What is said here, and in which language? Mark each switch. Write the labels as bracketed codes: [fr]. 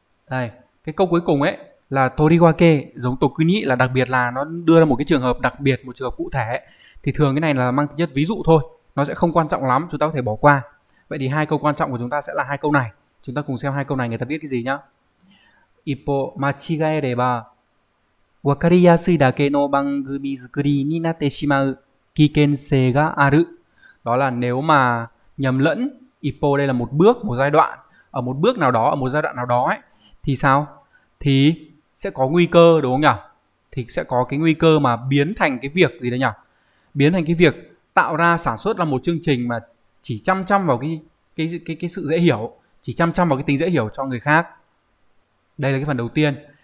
[vi] Đây, cái câu cuối cùng ấy là toriwake kê giống tô quy nhĩ, là đặc biệt là nó đưa ra một cái trường hợp đặc biệt, một trường hợp cụ thể. Thì thường cái này là mang tính chất ví dụ thôi, nó sẽ không quan trọng lắm, chúng ta có thể bỏ qua. Vậy thì hai câu quan trọng của chúng ta sẽ là hai câu này. Chúng ta cùng xem hai câu này người ta biết cái gì nhá. [ja] 一方間違えれば わかりやすいだけの番組作りになってしまう危険性がある。 [vi] Đó là nếu mà nhầm lẫn, ipo đây là một bước, một giai đoạn, ở một bước nào đó, ở một giai đoạn nào đó ấy, thì sao? Thì sẽ có nguy cơ đúng không nhỉ? Thì sẽ có cái nguy cơ mà biến thành cái việc gì đấy nhỉ? Biến thành cái việc tạo ra sản xuất là một chương trình mà chỉ chăm chăm vào cái sự dễ hiểu, chỉ chăm chăm vào cái tính dễ hiểu cho người khác. Đây là cái phần đầu tiên.